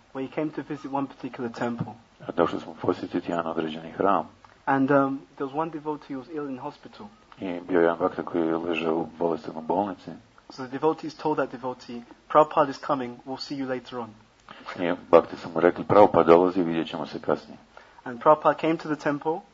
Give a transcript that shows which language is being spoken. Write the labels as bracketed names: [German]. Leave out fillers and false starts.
[English] When he came to visit one particular temple. [Croatian] Došli smo posjetiti jedan određeni hram. [English] And there was one devotee who was ill in hospital. [Croatian] I bio jedan bhakta koji je ležao u bolesti u bolnici. [English] So the devotees told that devotee, Prabhupada is coming, we'll see you later on. [Croatian] I bhakti su mu rekli, Prabhupada dolazi, vidjet ćemo se kasnije. [English] And Prabhupada came to the temple.